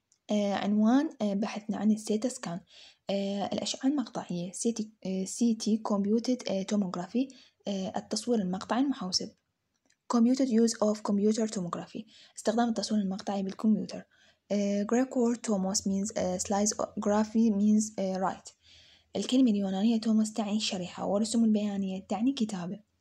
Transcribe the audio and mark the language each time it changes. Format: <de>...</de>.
<ar>عنوان بحثنا عن السيتا سكان، الأشعة المقطعية، سيتي كومبيوتد توموغرافي، التصوير المقطعي المحوسب.</ar> <en>computed use of computer tomography,</en> <ar>استخدام التصوير المقطعي بالكمبيوتر.</ar> <en>Greek word tomos means slice, graphy means write.</en> <ar>الكلمة اليونانية توموس تعني شريحة، والرسوم البيانية تعني كتابة.</ar>